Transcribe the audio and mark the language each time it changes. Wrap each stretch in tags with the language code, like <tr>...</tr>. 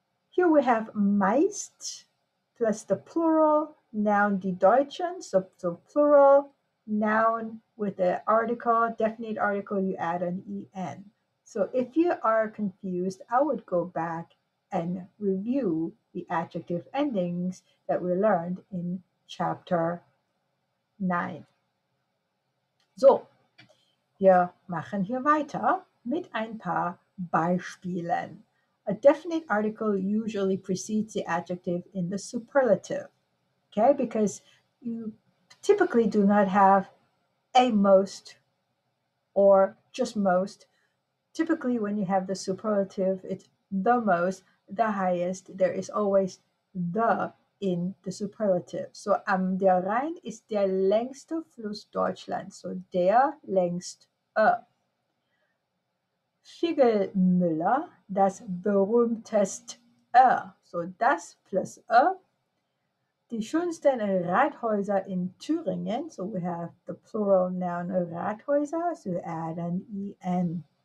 <en>Here we have meist plus the plural noun</en> <de>die Deutschen,</de> <en>so plural noun with the article, definite article, you add an en. So if you are confused, I would go back and review the adjective endings that we learned in chapter 9.</en> <de>So, wir machen hier weiter mit ein paar Beispielen.</de> <en>A definite article usually precedes the adjective in the superlative, okay, because you typically do not have a most or just most. Typically, when you have the superlative, it's the most, the highest. There is always the in the superlative.</en> <de>So am der Rhein ist der längste Fluss Deutschlands. So der längste. Figelmüller, das berühmteste.</de> <en>So das plus e.</en> <de>Die schönsten Rathäuser in Thüringen,</de> <en>so we have the plural noun Rathäuser, so add an en.</en>